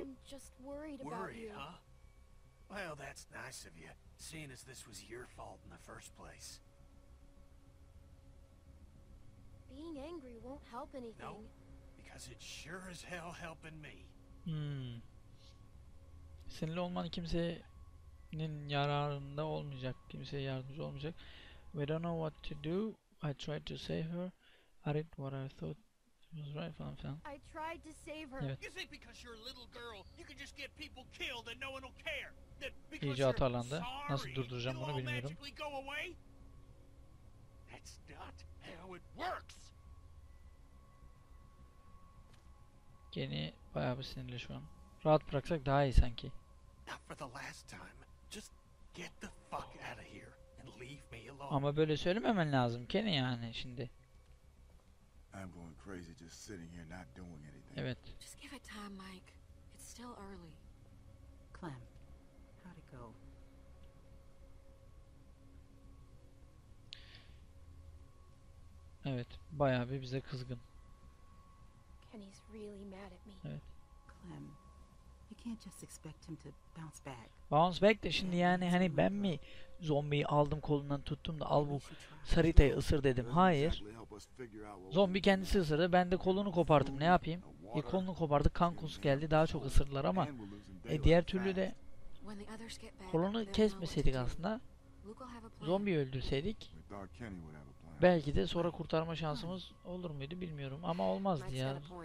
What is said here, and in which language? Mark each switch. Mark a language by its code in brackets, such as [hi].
[en] I'm just worried about worry, you. Huh? Well, that's nice of you, seeing as this was your fault in the first place. Being angry won't help anything. No, because it sure as hell helping me. [tr] Sinirli olman kimsenin yararında olmayacak, kimseye yardımcı olmayacak. [en] We don't know what to do. I tried to save her. I did what I thought. Was right, fam, fam. I tried to save her. [tr] Evet. [en] You think because you're a little girl, you can just get people killed and no one will care? That because you're sorry, [tr] nasıl durduracağım bunu bilmiyorum. [en] That's not how it works. [tr] Kenny bayağı bir sinirli şu an. Rahat bıraksak daha iyi sanki. [en] Not for the last time. Just get the fuck out of here and leave me alone. [tr] Ama böyle söylememen lazım Kenny yani şimdi. [en] I'm going crazy just sitting here not doing anything. [tr] Evet. [en] Just give it time, Mike. It's still early. Clem, how'd it go? [tr] Evet, bayağı bir bize kızgın. [en] Kenny's really mad at me. [tr] Evet. [en] Clem, you can't just expect him to bounce back. Bounce back [tr] de şimdi yani hani ben mi zombiyi aldım kolundan tuttum da al bu Sarita'yı ısır dedim. Hayır. Zombi kendisi ısırdı. Ben de kolunu kopardım. Ne yapayım? Kolunu kopardık. Kan kusu geldi. Daha çok ısırdılar ama diğer türlü de kolunu kesmeseydik aslında zombi öldürseydik belki de sonra kurtarma şansımız olur muydu bilmiyorum. Ama olmazdı ya.